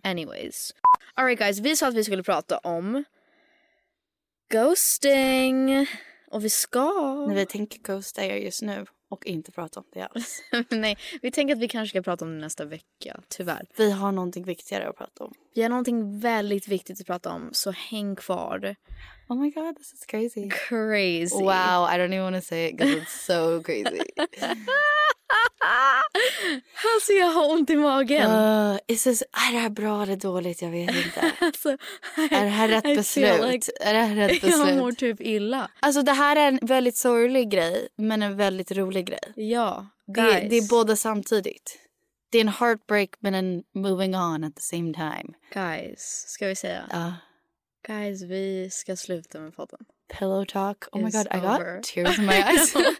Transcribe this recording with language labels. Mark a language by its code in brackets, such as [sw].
[en] Anyways. All right guys, [sv] vi sa att vi skulle prata om ghosting. Och vi ska. När vi tänker ghosta just nu. och inte prata om det alls. Nej, vi tänker att vi kanske ska prata om det nästa vecka, tyvärr. Vi har någonting viktigare att prata om. Vi har någonting väldigt viktigt att prata om, så häng kvar. [en] Oh my god, this is crazy. Crazy. Wow, I don't even want to say it because it's so crazy. [sv] Alltså jag har ont i magen. Är det här bra eller dåligt? Jag vet inte. Alltså, är det här rätt beslut? Like, är det här rätt beslut? Jag mår typ illa. Alltså det här är en väldigt sorglig grej, men en väldigt rolig grej. Ja, det är båda samtidigt. Det är en heartbreak men en [en] moving on at the same time. [sv] Guys, ska vi säga. Guys, vi ska sluta med podden. Pillow talk. [en] Oh my god, I got tears in my eyes.